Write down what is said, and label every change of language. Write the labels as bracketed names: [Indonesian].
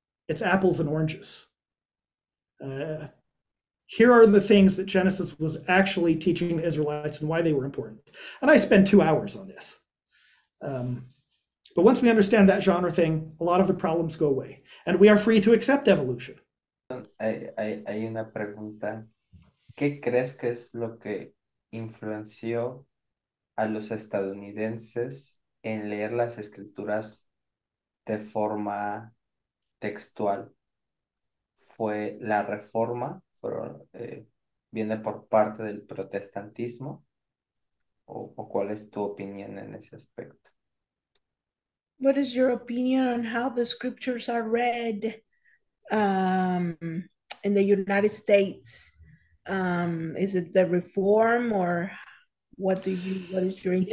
[English] It's apples and oranges. Here are the things that Genesis was actually teaching the Israelites and why they were important. And I spend 2 hours on this. But once we understand that genre thing, a lot of the problems go away. And we are free to accept evolution. [Spanish] Hay una pregunta. ¿Qué crees que es lo que influenció a los estadounidenses en leer las escrituras de forma textual? ¿Fue la reforma? ¿Viene por parte del protestantismo? ¿O cuál es tu opinión en ese aspecto? [English] What is your opinion on how the scriptures are read in the United States? Is it the reform or what is your intent?